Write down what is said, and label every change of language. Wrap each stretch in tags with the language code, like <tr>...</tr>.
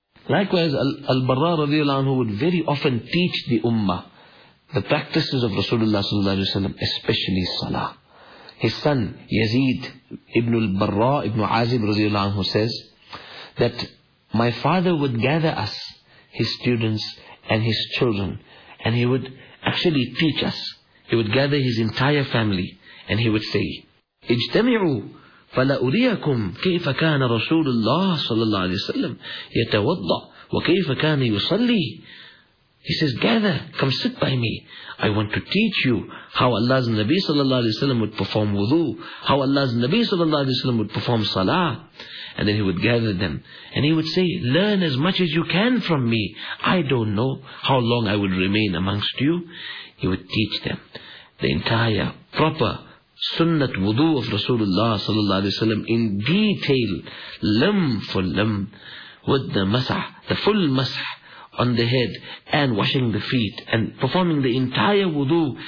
<en>Likewise, Al-Barra radiyallahu anhu would very often teach the ummah the practices of Rasulullah sallallahu alayhi wa sallam, especially salah. His son Yazid ibn Al-Barra ibn Azib radiyallahu anhu says that my father would gather us, his students and his children, and he would actually teach us. He would gather his entire family and he would say,</en> <ar>اجتمعوا فلأريكم كيف كان رسول الله صلى الله عليه وسلم يتوضى وكيف كان يصلي.</ar> <en>He says, gather, come sit by me. I want to teach you how Allah's Nabi sallallahu alayhi wa sallam would perform wudu, how Allah's Nabi sallallahu alayhi wa sallam would perform salah. And then he would gather them. And he would say, learn as much as you can from me. I don't know how long I would remain amongst you. He would teach them the entire proper sunnat wudu of Rasulullah sallallahu alayhi wa sallam in detail, limb for limb, with the mas'ah, the full mas'ah on the head, and washing the feet, and performing the entire wudu.</en>